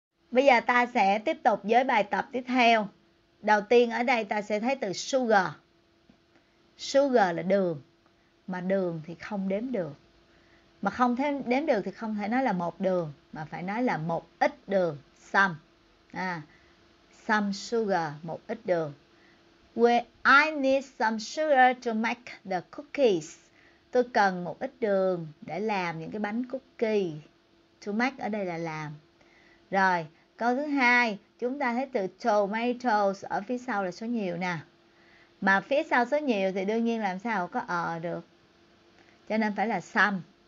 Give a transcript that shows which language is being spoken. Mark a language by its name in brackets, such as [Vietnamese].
[Vietnamese] Bây giờ ta sẽ tiếp tục với bài tập tiếp theo. Đầu tiên ở đây ta sẽ thấy từ sugar. Sugar là đường. Mà đường thì không đếm được. Mà không thêm đếm được thì không thể nói là một đường. Mà phải nói là một ít đường. Some. À, some sugar, một ít đường. [English] Where I need some sugar to make the cookies. [Vietnamese] Tôi cần một ít đường để làm những cái bánh cookie. To make ở đây là làm. Rồi, câu thứ hai, chúng ta thấy từ tomatoes ở phía sau là số nhiều nè. Mà phía sau số nhiều thì đương nhiên làm sao có ở được. Cho nên phải là some.